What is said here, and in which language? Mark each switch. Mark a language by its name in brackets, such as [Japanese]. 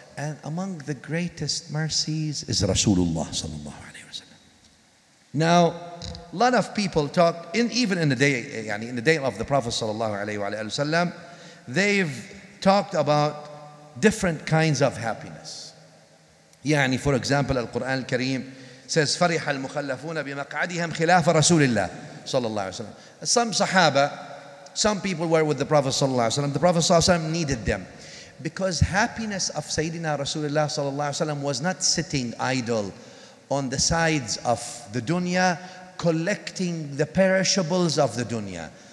[English] And among the greatest mercies is Rasulullah sallallahu alayhi wa sallam. Now, a lot of people talk, even in the day of the Prophet sallallahu alayhi wa sallam, they've talked about different kinds of happiness. [Arabic] يعني [English] for example [Arabic] القرآن الكريم [English] says [Arabic] فرح المخلفون بمقعدهم خلاف رسول الله صلى الله عليه وسلم. [English] Some Sahaba, some people were with the Prophet صلى الله عليه وسلم. The Prophet صلى الله عليه وسلم needed them because happiness of Sayyidina Rasulullah صلى الله عليه وسلم was not sitting idle on the sides of the dunya collecting the perishables of the dunya.